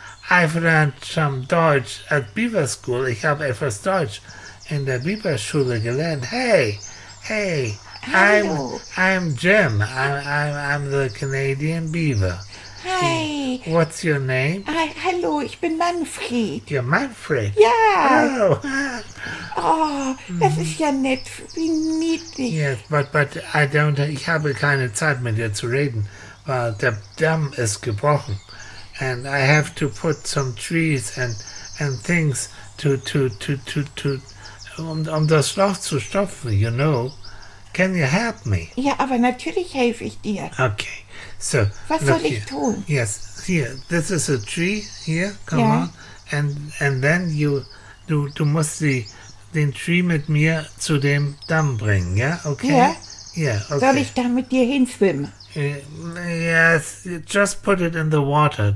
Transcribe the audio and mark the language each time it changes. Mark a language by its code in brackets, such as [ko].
[en] I've learned some Deutsch at Beaver School. [de] Ich habe etwas Deutsch in der Beaver Schule gelernt. [en] Hey. Hello. I'm Jim. I'm the Canadian Beaver. Hi. What's your name? [de] Hello, ich bin Manfred. [en] You're Manfred? Yeah. Oh. [de] Oh, das ist ja nett. Wie niedlich. [en] Yes, but I don't. [de] Ich habe keine Zeit mit dir zu reden, weil der Damm ist gebrochen. [en] And I have to put some trees and things to [de] das Loch zu stopfen, [en] you know. Can you help me? [de] Ja, aber natürlich helfe ich dir. [en] Okay. So, [de] was soll ich tun? [en] Yes, here. This is a tree here. Come on. And then [de] du musst den Tree mit mir zu dem Damm bringen, ja? [en] Okay? [de] Ja. [en] Yeah, okay. [de] Soll ich da mit dir hinschwimmen? [en] Yes, just put it in the water.